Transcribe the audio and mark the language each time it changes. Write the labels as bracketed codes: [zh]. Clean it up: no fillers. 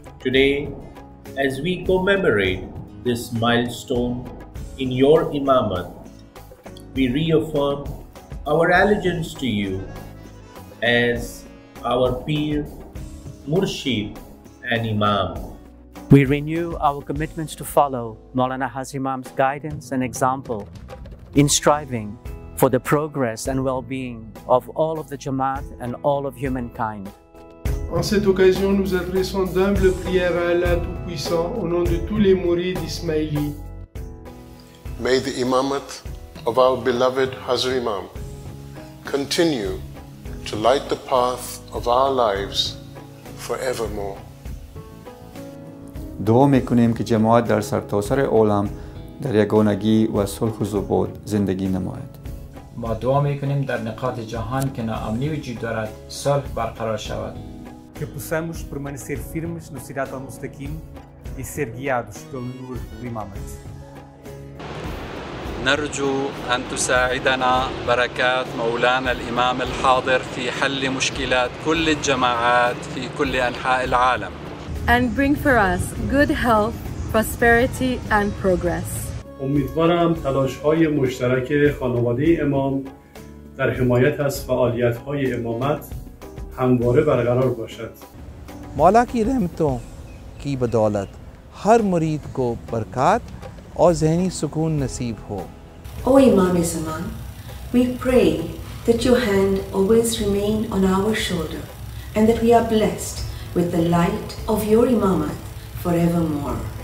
[en] Today, as we commemorate this milestone in your Imamat, we reaffirm our allegiance to you as our Peer, Murshid and Imam. We renew our commitments to follow Mawlana Hazar Imam's guidance and example in striving for the progress and well-being of all of the Jamaat and all of humankind. [fr] En cette occasion, nous adressons d'humbles prières à Allah Tout-Puissant au nom de tous les mourides Ismaili. [en] May the Imamat of our beloved Hazar Imam continue to light the path of our lives forevermore. [fa] دعا میکنیم که جماعت در سرتاسر عالم در یگانگی و صلح و ثبات زندگی نماید. ما دعا میکنیم در نقاط جهان که ناامنی وجود دارد صلح برقرار شود. که [pt] possamos permanecer firmes no sirat al-mustaqim e ser guiados pelo nur do imamat. [ar] نرجو ان تساعدنا بركات مولانا الامام الحاضر في حل مشكلات كل الجماعات في كل انحاء العالم. [en] And bring for us good health, prosperity and progress. [fa] امیدوارم تلاش‌های مشترک خانواده امام در حمایت از فعالیت‌های امامت همواره برقرار باشد. [ur] مولا کی رحمتوں کی بدولت ہر مرید کو برکات اور ذہنی سکون نصیب ہو. [en] O Imam Zaman, we pray that your hand always remain on our shoulder and that we are blessed with the light of your Imamat forevermore.